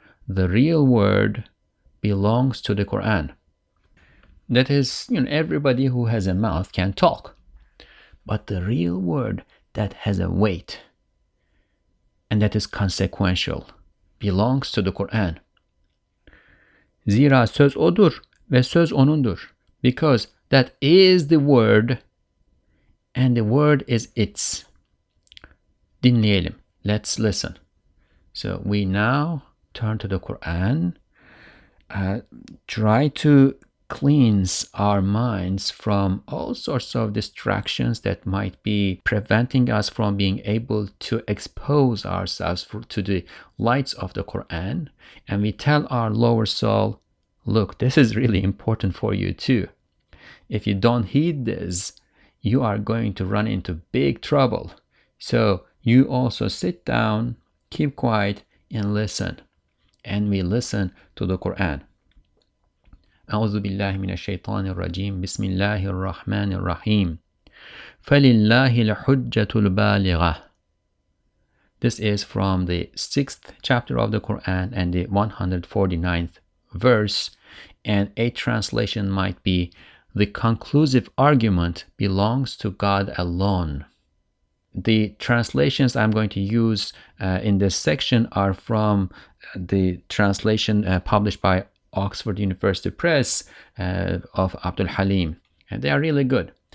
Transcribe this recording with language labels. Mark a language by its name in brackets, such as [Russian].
[English] The real word belongs to the Quran. That is, you know, everybody who has a mouth can talk. But the real word that has a weight and that is consequential belongs to the Quran. [Turkish] Zira söz odur ve söz onundur. [English] Because that is the word and the word is its. [Turkish] Dinleyelim. [English] Let's listen. So we now turn to the Quran. Try to cleanse our minds from all sorts of distractions that might be preventing us from being able to expose ourselves to the lights of the Quran. And we tell our lower soul, look, this is really important for you too. If you don't heed this, you are going to run into big trouble. So you also sit down, keep quiet, and listen. And we listen to the Quran. [Arabic] أعوذ بالله من الشيطان الرجيم بسم الله الرحمن الرحيم فلله الحجة البالغة. [English] This is from the 6th chapter of the Quran and the 149th verse, and a translation might be the conclusive argument belongs to God alone. The translations I'm going to use in this section are from the translation published by Oxford University Press of Abdul Halim, and they are really good.